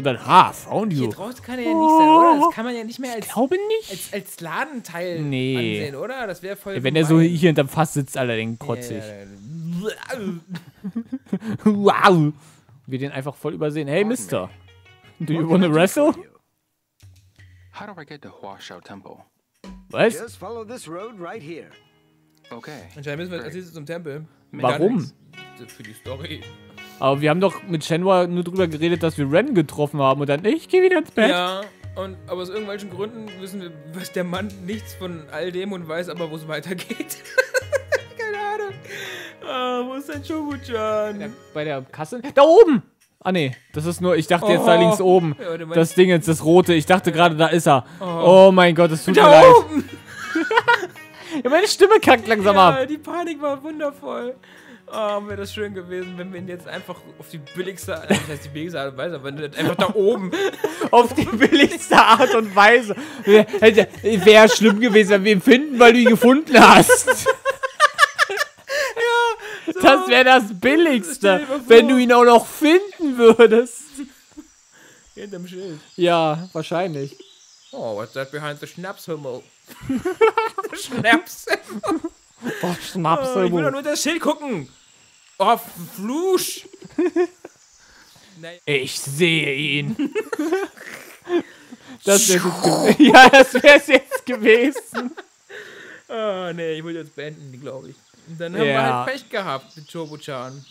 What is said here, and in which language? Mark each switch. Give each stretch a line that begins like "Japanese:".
English: Dann, found you.
German: Hier draußen kann er ja nicht sein, oder? Das kann man ja nicht mehr als Ladenteil ansehen, oder? Das wäre voll. Ja, wenn der so hier hinterm Fass sitzt, Alter, den kotze ich. Wow. Wir den einfach voll übersehen.
English: Hey, Mister. Do you wanna wrestle? How do I get to Hua Shao Temple?
German: Was?
English: Just follow this road right here. Okay.
German: Anscheinend müssen wir als nächstes zum Tempel. Warum? Für die Story. Aber wir haben doch mit Shenhua nur drüber geredet, dass wir Ren getroffen haben und dann, ich geh wieder ins Bett. Ja, und, aber aus irgendwelchen Gründen wissen wir, weiß der Mann nichts von all dem und weiß aber, wo es weitergeht. Keine Ahnung. Oh, wo ist denn Chubu-chan? Bei der Kasse? Da oben! Ah ne, das ist nur, ich dachte jetzt da links oben, ja, das Ding jetzt, das Rote, ich dachte gerade, da ist er. Oh mein Gott, das tut da mir oben. Leid. Ja, meine Stimme kackt langsam ab. Die Panik war wundervoll. Oh, wäre das schön gewesen, wenn wir ihn jetzt einfach auf die billigste, das heißt die billigste Art und Weise, aber einfach da oben. Auf die billigste Art und Weise. Wäre schlimm gewesen, wenn wir ihn finden, weil du ihn gefunden hast. So. Das wäre das Billigste, wenn du ihn auch noch finden würdest. Hinterm Schild. Ja, wahrscheinlich.
English: Oh, what's that behind the Schnapshimmel?
German: Schnapshimmel. Oh, Schnapshimmel. Ich will nur das Schild gucken. Oh, Flusch. Ich sehe ihn. Das wäre ja, das wäre es jetzt gewesen. Oh, nee, ich will jetzt beenden, glaube ich. Dann haben wir halt Pech gehabt mit Chubu-chan.